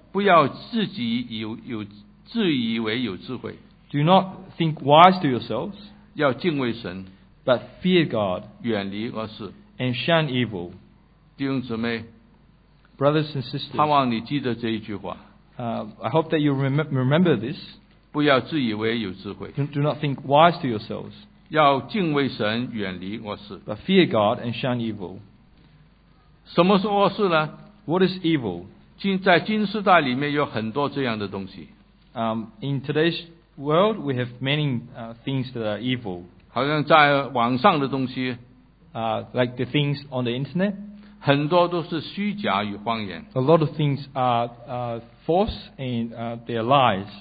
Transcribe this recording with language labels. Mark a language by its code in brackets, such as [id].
[zh] 不要自己有自以为有智慧 [en] Do not think wise to yourselves [zh] 要敬畏神 [en] But fear God [zh] 远离恶事 [en] And shun evil [zh] 弟兄姊妹 [en] Brothers and sisters [zh] 盼望你记得这一句话 [en] I hope that you remember this [zh] 不要自以为有智慧 [en] Do not think wise to yourselves [zh] 要敬畏神远离恶事 [en] But fear God and shun evil [zh] 什么是恶事呢 [en] ？What is evil？ [zh] 在今世代里面有很多这样的东西。 [en] In today's world, we have many things that are evil。 [zh] 好像在网上的东西。 [en] Like the things on the internet。 [zh] 很多都是虚假与谎言。 [en] A lot of things are false and they are lies。